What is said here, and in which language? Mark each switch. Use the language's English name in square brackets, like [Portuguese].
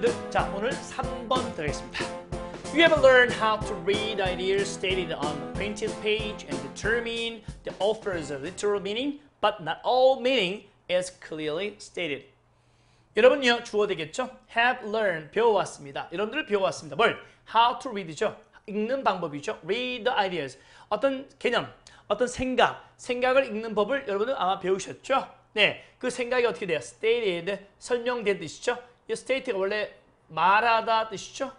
[Korean] 네, 자, 오늘 3번 드리겠습니다. [English] You have learned how to read ideas stated on the printed page and determine the author's literal meaning, but not all meaning is clearly stated. [Korean] 여러분요, 주어 되겠죠? [English] Have learned, [Korean] 배워왔습니다. 여러분들 배워왔습니다. 뭘? [English] How to read [Korean] 죠? 읽는 방법이죠. [English] Read the ideas. [Korean] 어떤 개념, 어떤 생각, 생각을 읽는 법을 여러분은 아마 배우셨죠? 네, 그 생각이 어떻게 돼요? [English] Stated, [Korean] 설명된 뜻이죠? 이 state가 원래 말하다 뜻이죠?